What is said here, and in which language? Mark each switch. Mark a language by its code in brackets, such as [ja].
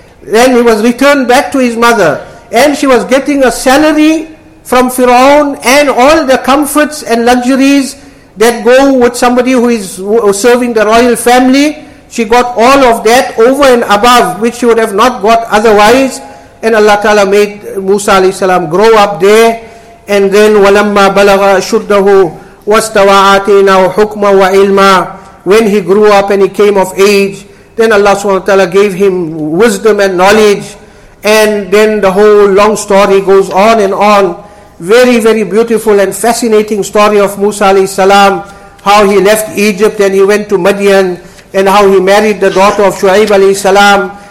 [en] Then he was returned back to his mother, and she was getting a salary from Fir'aun and all the comforts and luxuries that go with somebody who is serving the royal family. She got all of that over and above, which she would have not got otherwise. And Allah Ta'ala made Musa alayhi salam grow up there. And then, [ar] وَلَمَّا بَلَغَ أَشُدَّهُ وَاسْتَوَى آتَيْنَاهُ حُكْمًا وَعِلْمًا. [en] When he grew up and he came of age, then Allah subhanahu wa ta'ala gave him wisdom and knowledge. And then the whole long story goes on and on. Very, very beautiful and fascinating story of Musa alayhi salam. How he left Egypt and he went to Madian. And how he married the daughter of Shu'aib alayhi salam.